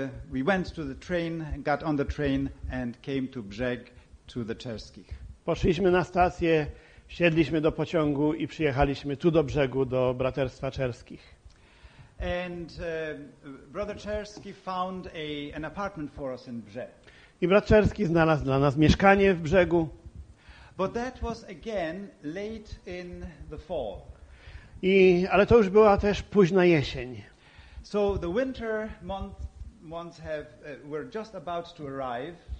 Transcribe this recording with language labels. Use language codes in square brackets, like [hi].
[en] We went to the train, got on the train and came to Brzeg, to the Czerskich. [pl] Poszliśmy na stację, wsiedliśmy do pociągu i przyjechaliśmy tu do Brzegu, do braterstwa Czerskich. [en] And brother Czerski found an apartment for us in Brzeg. [pl] I brat Czerski znalazł dla nas mieszkanie w Brzegu. [en] But that was again late in the fall. [pl] Ale to już była też późna jesień. [en] So the winter months were just about to arrive.